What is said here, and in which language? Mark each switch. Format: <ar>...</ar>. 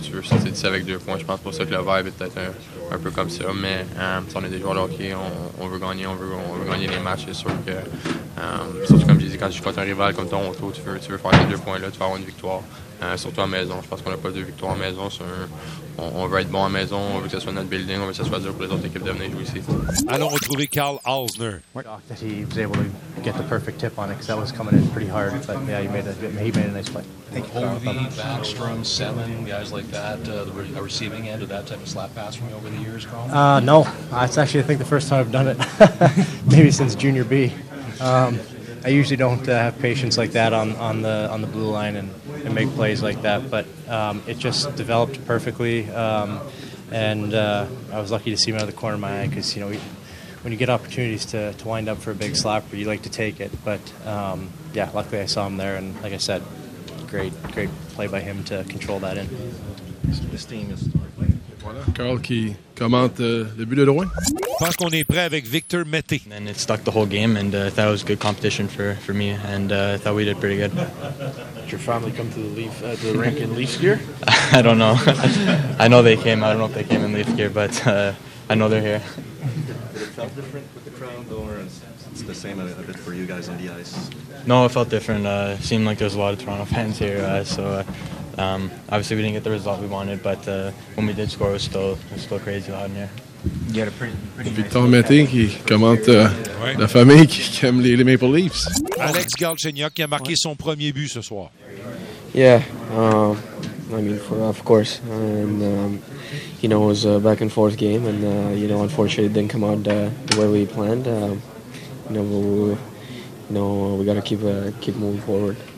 <fr>Tu veux sortir d'ici avec deux points. Je pense pour ça que le vibe est peut-être un peu comme ça, mais si on est des joueurs de hockey, on veut gagner, on veut gagner les matchs. C'est sûr que, surtout comme j'ai dit, quand tu joues un rival comme Toronto, tu veux faire ces deux points-là, tu vas avoir une victoire. Surtout à maison. Je pense qu'on n'a pas de victoire à maison. On veut être bon à maison. On veut que ce soit notre building. On veut que ce soit dur pour les autres équipes de venir jouer ici. Allons retrouver Carl Alsner.</fr> <en>That he was able to get the perfect tip on it because that was coming in pretty hard. But yeah, he made a nice play. Thank you. Ovi, Backstrom, Semin, guys like that, the receiving end of that type of slap pass from you over the years, Carl? No. It's actually, I think, the first time I've done it. Maybe since junior B. I usually don't have patience like that on the blue line and make plays like that, but it just developed perfectly, I was lucky to see him out of the corner of my eye because, when you get opportunities to wind up for a big slapper, you like to take it, but luckily I saw him there, and like I said, great play by him to control that in. This team is...</en> <fr>Carl qui commente le but de Drouin. Je pense qu'on est prêt avec Victor Mété.</fr> <en>And it stuck the whole game, and I thought it was good competition for me, and I thought we did pretty good. Did your family come to the Leaf to the rink in Leafs gear? I don't know. I know they came. I don't know if they came in Leafs gear, but I know they're here. Did it feel different with the crowd, though, or is it the same a bit for you guys on the ice? No, it felt different. Seemed like there's a lot of Toronto fans here, so. Obviously, we didn't get the result we wanted, but when we did score, it was still crazy loud in here. You had a pretty nice...</en> <fr>Victor Mété qui commente la famille qui aime les Maple Leafs. Alex Galchenyuk qui a marqué son premier but ce soir.</fr> <en>Yeah, of course, and it was a back and forth game, and unfortunately, it didn't come out the way we planned. We got to keep moving forward.</en>